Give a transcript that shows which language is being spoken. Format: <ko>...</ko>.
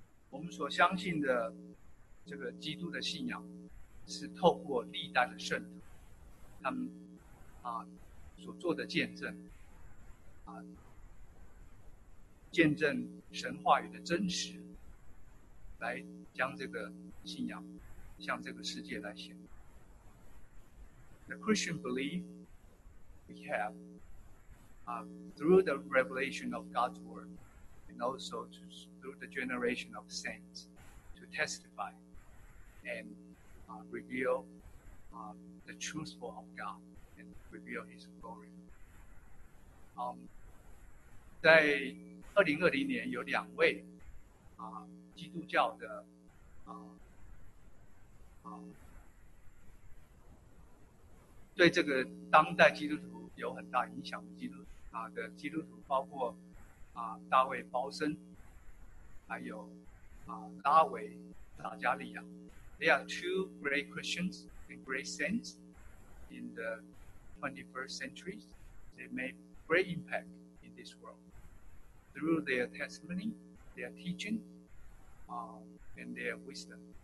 <zh>我们所相信的这个基督的信仰，是透过历代的圣徒他们所做的见证，见证神话语的真实，来将这个信仰向这个世界来显明。</zh> <en>The Christian belief we have through the revelation of God's word and also through the generation of saints to testify and reveal the truthful of God and reveal His glory.</en> <zh>在2020年有两位基督教的对这个当代基督徒有很大影响的基督徒，包括大卫鲍森，还有拉维达加利亚。</zh> <en>They are two great Christians and great saints in the 21st century. They made great impact in this world through their testimony, their teaching, and their wisdom.</en>